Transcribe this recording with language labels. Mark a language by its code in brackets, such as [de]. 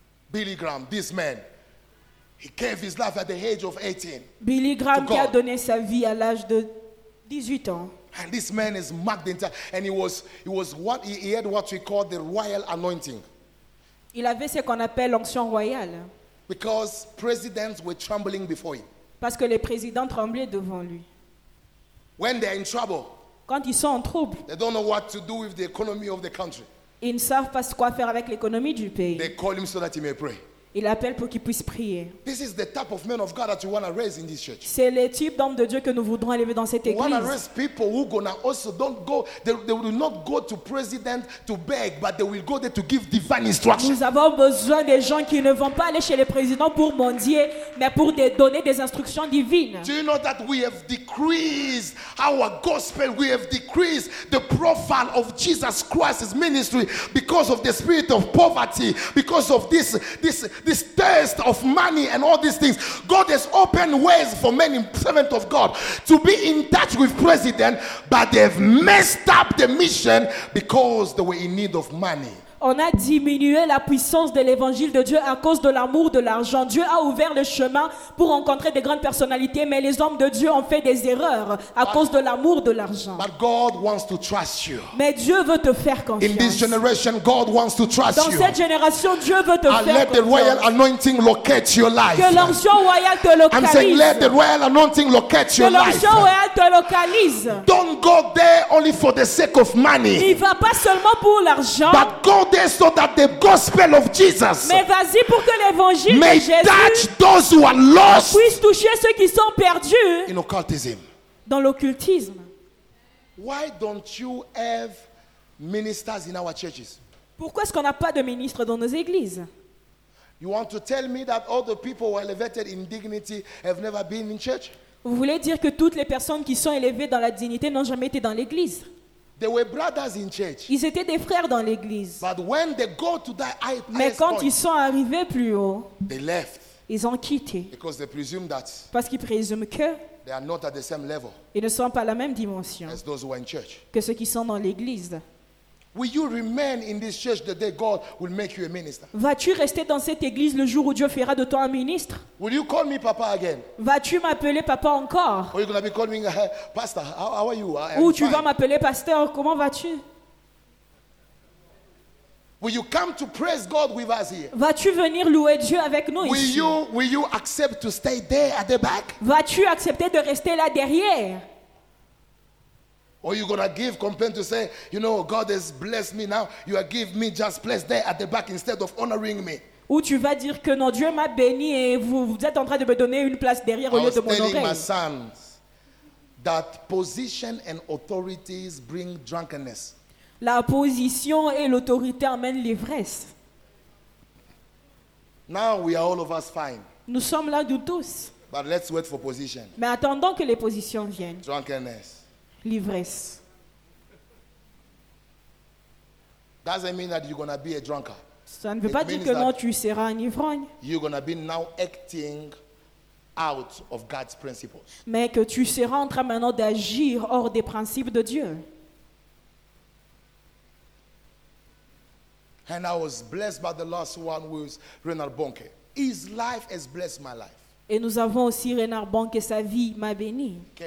[en] Billy Graham, this man, he gave his life at the age of 18. [fr] Billy Graham qui a donné sa vie à l'âge de 18 ans. [en] And this man is marked into, and he was what he had what we call the royal anointing. [fr] Il avait ce qu'on appelle l'onction royale. [en] Because presidents were trembling before him. [fr] Parce que les présidents tremblaient devant lui. [en] When they're in trouble. [fr] Quand ils sont en trouble. [en] They don't know what to do with the economy of the country. [fr] Ils ne savent pas quoi faire avec l'économie du pays. [en] They call him so that he may pray. [fr] Il appelle pour qu'il puisse prier. [en] This is the type of men of God that you want to raise in this church. [fr] C'est le type d'homme de Dieu que nous voudrons élever dans cette église. [en] We want to raise people who gonna also don't go. They will not go to president to beg, but they will go there to give divine instruction. [fr] Nous avons besoin des gens qui ne vont pas aller chez les présidents pour mendier, mais pour donner des instructions divines. [en] Do you know that we have decreased our gospel? We have decreased the profile of Jesus Christ's ministry because of the spirit of poverty, because of this thirst of money and all these things. God has opened ways for many servants of God to be in touch with president, but they've messed up the mission because they were in need of money. [fr] On a diminué la puissance de l'évangile de Dieu à cause de l'amour de l'argent. Dieu a ouvert le chemin pour rencontrer des grandes personnalités, mais les hommes de Dieu ont fait des erreurs à cause de l'amour de l'argent. [en] But God wants to trust you. [fr] Mais Dieu veut te faire confiance. [en] In this generation, God wants to trust [fr] dans [en] you. [fr] Cette génération, Dieu veut te [en] and [fr] faire [en] let [fr] confiance. [en] The royal anointing locate your life. [fr] Que l'onction royale te localise. [en] I'm saying, let the royal anointing locate your life. [fr] Que l'onction royale te localise. [en] Don't go there only for the sake of money. [fr] Il va pas seulement pour l'argent. [en] But God so that the gospel of Jesus [fr] mais vas-y pour que l'évangile [en] may touch those who are lost [fr] puisse toucher ceux qui sont perdus [en] in occultism. [fr] Dans l'occultisme. [en] Why don't you have ministers in our churches? [fr] Pourquoi est-ce qu'on n'a pas de ministres dans nos églises? [en] You want to tell me that all the people who are elevated in dignity have never been in church? [fr] Vous voulez dire que toutes les personnes qui sont élevées dans la dignité n'ont jamais été dans l'église? [en] They were brothers in church. [fr] Ils étaient des frères dans l'église. [en] But when they go to that high, [fr] mais quand [en] point, [fr] ils sont arrivés plus haut, [en] they left. [fr] Ils ont quitté. [en] Because they presume that [fr] parce qu'ils présument que [en] they are not at the same level [fr] ils ne sont pas à la même dimension [en] as those who are in church. [fr] Que ceux qui sont dans l'église. [en] Will you remain in this church the day God will make you a minister? [fr] Vas-tu rester dans cette église le jour où Dieu fera de toi un ministre? [en] Will you call me papa again? [fr] Vas-tu m'appeler papa encore? [en] Or you're gonna be calling me pastor. How are you? [fr] Ou tu vas m'appeler pasteur? Comment vas-tu? [en] Will you come to praise God with us here? [fr] Vas-tu venir louer Dieu avec nous [en] will [fr] ici? [en] Will you accept to stay there at the back? [fr] Vas-tu accepter de rester là derrière? [en] Or you gonna give complaint to say, you know, God has blessed me now. You are give me just place there at the back instead of honoring me. [fr] Ou tu vas dire que non, Dieu m'a béni et vous êtes en train de me donner une place derrière au lieu de m'honorer. [en] I was telling my sons that position and authorities bring drunkenness. [fr] La position et l'autorité amènent l'ivresse. [en] Now we are all of us fine. [fr] Nous sommes là de tous. [en] But let's wait for position. [fr] Mais attendons que les positions viennent. [en] Drunkenness. [fr] L'ivresse. [en] Doesn't mean that you're gonna be a drunkard. [fr] Ça ne veut pas dire que non, tu seras un ivrogne. [en] You're gonna be now acting out of God's principles. [fr] Mais que tu seras en train maintenant d'agir hors des principes de Dieu. [en] And I was blessed by the last one who was Reinhard Bonke. His life has blessed my life. [fr] Et nous avons aussi Reinhard Bonke, sa vie m'a béni.